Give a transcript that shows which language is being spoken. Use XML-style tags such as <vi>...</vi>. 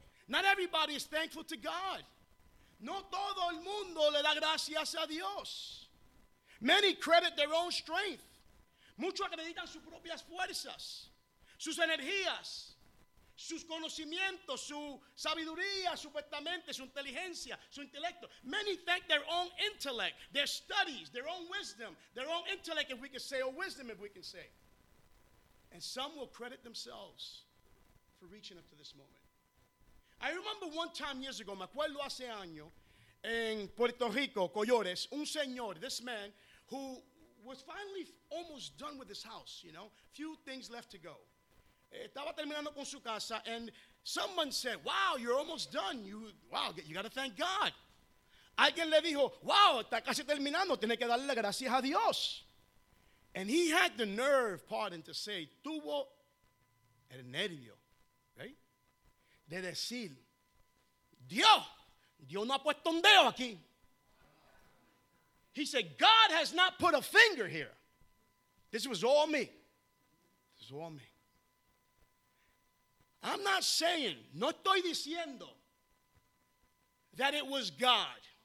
<en>Not everybody is thankful to God.</en> <es>No todo el mundo le da gracias a Dios.</es> <en>Many credit their own strength.</en> <es>Muchos acreditan sus propias fuerzas, sus energías, sus conocimientos, su sabiduría, supuestamente, su inteligencia, su intelecto.</es> <en>Many think their own intellect, their studies, their own wisdom, their own intellect, if we can say, or wisdom, if we can say. And some will credit themselves for reaching up to this moment. I remember one time years ago,</en> <es>me acuerdo hace año,</es> <en>en Puerto Rico, Collores,</en> <es>un señor,</es> <en>this man, who was finally almost done with his house, you know, few things left to go.</en> <es>Estaba terminando con su casa,</es> <en>and someone said, wow, you're almost done. You got to thank God.</en> <es>Alguien le dijo, wow, está casi terminando, tiene que darle gracias a Dios.</es> <en>And he had the nerve, pardon, to say,</en> <es>tuvo el nervio,</es> <en>right?</en> <es>De decir, Dios no ha puesto un dedo aquí.</es> <en>He said, God has not put a finger here. This was all me. I'm not saying,</en> <es>no estoy diciendo</es> <en>that it was God.</en>